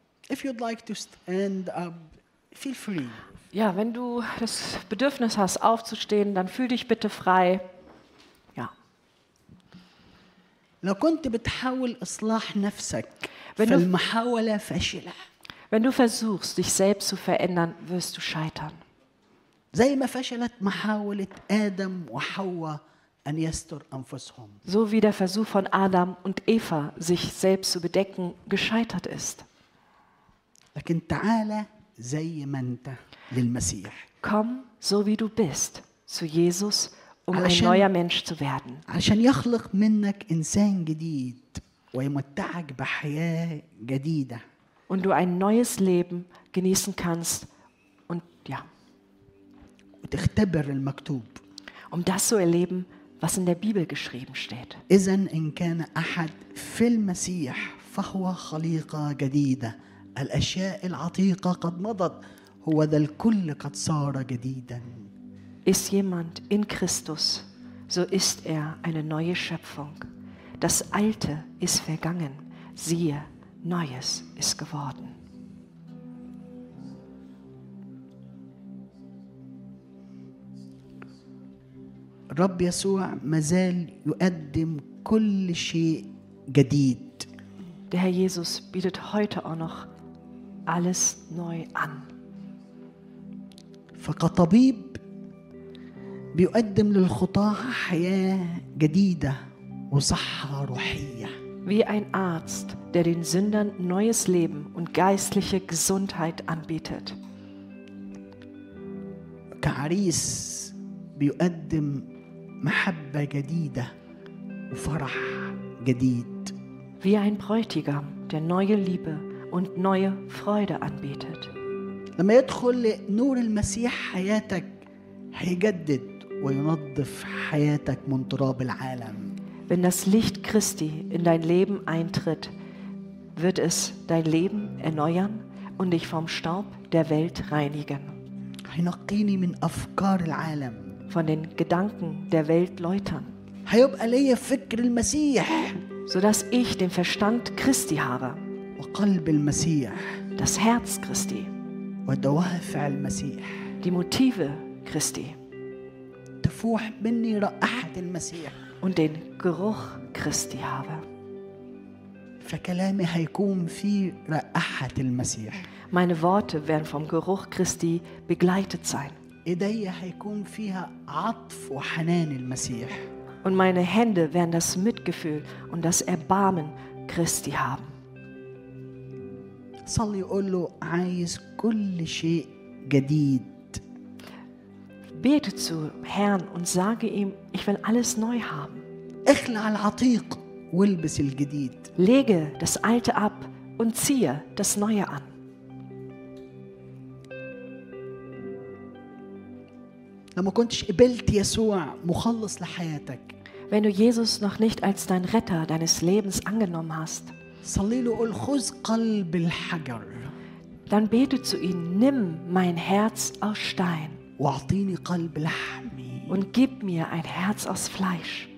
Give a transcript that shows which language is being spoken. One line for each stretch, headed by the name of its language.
English: If you'd like to stand up, feel free.
German: Ja, wenn du das Bedürfnis hast, aufzustehen, dann fühl dich bitte frei. Ja.
Arabic: لو كنت بتحاول إصلاح نفسك فالمحاولة فاشلة.
German: Wenn du versuchst, dich selbst zu verändern, wirst du scheitern.
Arabic: زي ما فشلت محاولة آدم وحواء أن يستر أنفسهم.
German: So wie der Versuch von Adam und Eva, sich selbst zu bedecken, gescheitert ist.
Arabic: لكن تعالى زي ما انت للمسيح.
German: Komm so wie du bist zu Jesus, um ein neuer Mensch zu werden.
Arabic: عشان يخلق منك انسان جديد ويمتعك بحياه جديده.
German: Und du ein neues Leben genießen kannst und ja.
Arabic: وتختبر المكتوب.
German: Um das zu erleben, was in der Bibel geschrieben steht.
Arabic: إذن إن كان أحد في المسيح فهو خليقة جديدة. الأشياء العتيقة قد مضت هو ذا الكل قد صار جديدا.
German: Ist jemand in Christus, so ist eine neue Schöpfung. Das Alte ist vergangen. Siehe, Neues ist geworden.
Arabic: رب يسوع مازال يقدم كل شيء جديد.
German: Der Herr Jesus bietet heute auch noch alles neu an.
Arabic: فكطبيب بيقدم للخطاة حياة جديدة وصحة روحية.
German: Wie ein Arzt, der den Sündern neues Leben und geistliche Gesundheit anbietet.
Arabic: كعريس بيقدم محبة جديدة وفرح جديد.
German: Wie ein Bräutigam, der neue Liebe und neue Freude anbietet.
Arabic: لما يدخل نور المسيح حياتك هيجدد وينظف حياتك من تراب العالم.
German: Wenn das Licht Christi in dein Leben eintritt, wird es dein Leben erneuern und dich vom Staub der Welt reinigen.
Arabic: هينقيني من أفكار العالم.
German: Von den Gedanken der Welt läutern.
Arabic: هيبقى ليا فكر المسيح.
German: So dass ich den Verstand Christi habe.
Arabic: وقلب المسيح.
German: Das Herz Christi.
Arabic: ودوافع المسيح.
German: Die Motive Christi.
Arabic: تفوح مني رائحة المسيح.
German: Und den Geruch Christi habe.
Arabic: فكلامي هيكون في رائحة المسيح.
German: Meine Worte werden vom Geruch Christi begleitet sein.
Arabic: إيدي هيكون فيها عطف وحنان المسيح.
German: Und meine Hände werden das Mitgefühl und das Erbarmen Christi haben.
Arabic: صلي قول له عايز كل شيء جديد.
German: Bete zu Herrn und sage ihm, ich will alles neu haben.
Arabic: اخلع العتيق والبس الجديد.
German: Lege das alte ab und ziehe das neue an.
Arabic: لما كنتش قبلت يسوع مخلص لحياتك.
German: Wenn du Jesus noch nicht als dein Retter deines Lebens angenommen hast.
Arabic: صلي له قول خذ قلب الحجر.
German: Dann bete zu ihm, nimm mein Herz aus Stein.
Arabic: واعطيني قلب لحمي.
German: Und gib mir ein Herz aus Fleisch.